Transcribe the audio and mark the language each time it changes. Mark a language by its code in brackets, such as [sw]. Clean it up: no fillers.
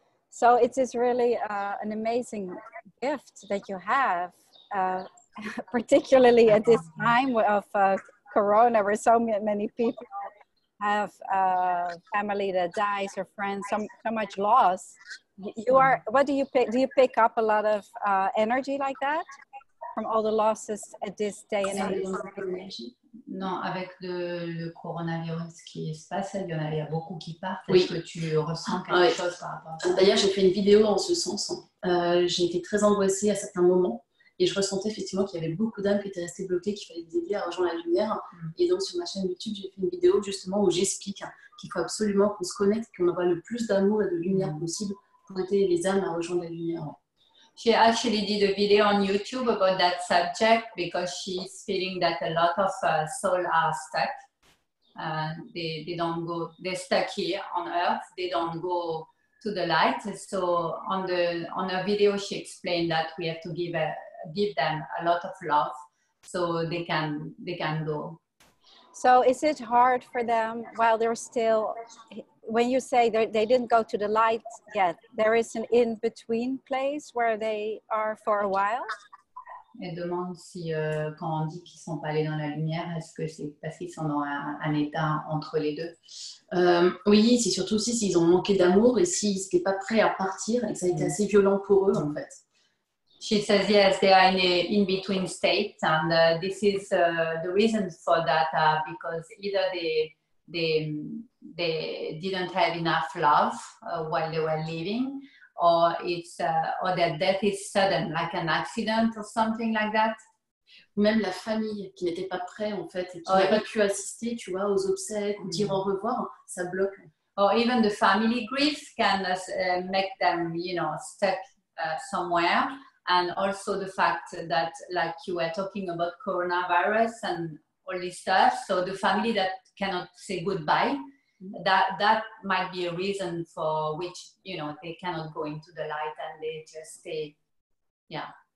[en] So it is really an amazing gift that you have, particularly at this time of Corona, where so many people have family that dies or friends, so much loss. You are. What do you pick? Do you pick up a lot of energy like that from all the losses at this day and age? [fr] Non, avec le coronavirus qui se passe, il y a beaucoup qui partent. Oui. Est-ce que tu ressens quelque chose par rapport à ça? D'ailleurs, j'ai fait une vidéo en ce sens. J'ai été très angoissée à certains moments et je ressentais effectivement qu'il y avait beaucoup d'âmes qui étaient restées bloquées, qu'il fallait les aider à rejoindre la lumière. Mm. Et donc, sur ma chaîne YouTube, j'ai fait une vidéo justement où j'explique qu'il faut absolument qu'on se connecte, qu'on envoie le plus d'amour et de lumière possible. [en] She actually did a video on YouTube about that subject because she's feeling that a lot of souls are stuck. They're stuck here on Earth. They don't go to the light. So on her video, she explained that we have to give them a lot of love so they can go. So is it hard for them while they're still? When you say they didn't go to the light yet, there is an in-between place where they are for a while? [fr] Elle demande si quand on dit qu'ils ne sont pas allés dans la lumière, est-ce que c'est parce qu'ils sont dans un état entre les deux? Oui, c'est surtout aussi s'ils ont manqué d'amour et s'ils n'étaient pas prêts à partir et que ça a été assez violent pour eux en fait. [en] She says yes, they are in an in-between state, and this is the reason for that, because either they they didn't have enough love while they were living, or it's or their death is sudden, like an accident or something like that. [fr] Même la famille qui n'était pas prête en fait, et qui n'a pas pu assister, tu vois, aux obsèques, mm-hmm. dire au revoir, ça bloque. [en] Or even the family grief can make them, you know, stuck somewhere. And also the fact that, like you were talking about coronavirus and all this stuff, so the family that cannot say goodbye, that might be a reason for which, you know, they cannot go into the light and they just stay, yeah.